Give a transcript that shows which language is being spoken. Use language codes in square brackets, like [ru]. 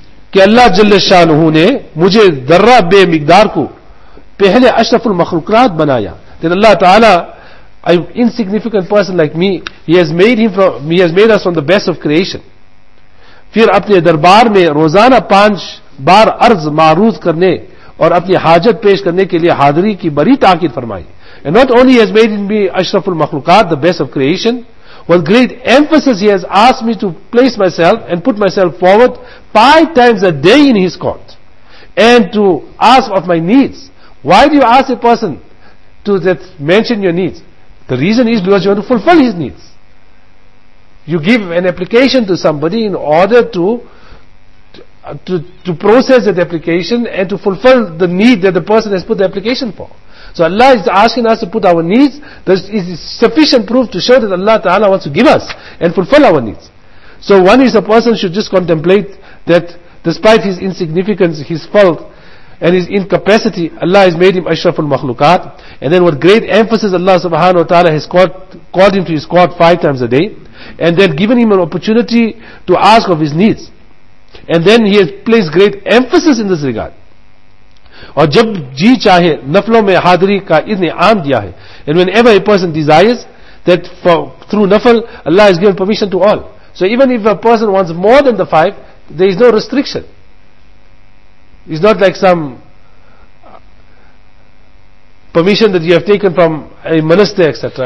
[ur] کہ اللہ جل شانہ نے مجھے ذرہ بے مقدار کو پہلے اشرف المخلوقات بنایا. [en] Then اللہ تعالی, an insignificant person like me, he has made us from the best of creation. [ur] پھر اپنے دربار میں روزانہ پانچ بار عرض معروض کرنے اور اپنی حاجت پیش کرنے کے لیے حاضری کی بڑی تاکید فرمائی. [en] And not only he has made me اشرف المخلوقات, the best of creation, with great emphasis he has asked me to place myself and put myself forward 5 times a day in his court and to ask of my needs. Why do you ask a person to that mention your needs? The reason is because you want to fulfill his needs. You give an application to somebody in order to process that application and to fulfill the need that the person has put the application for. So Allah is asking us to put our needs. This is sufficient proof to show that Allah Ta'ala wants to give us and fulfill our needs. So one is a person should just contemplate that despite his insignificance, his fault and his incapacity, Allah has made him ashraful makhlukat. And then with great emphasis Allah Subhanahu Wa Ta'ala has called him to his court 5 times a day and then given him an opportunity to ask of his needs. And then he has placed great emphasis in this regard. [ur] اور جب جی چاہے نفلوں میں حاضری کا انعام دیا ہے. [en] And whenever a person desires that through nafal, Allah has given permission to all. So even if a person wants more than the 5, there is no restriction. It's not like some permission that you have taken from a minister, etc.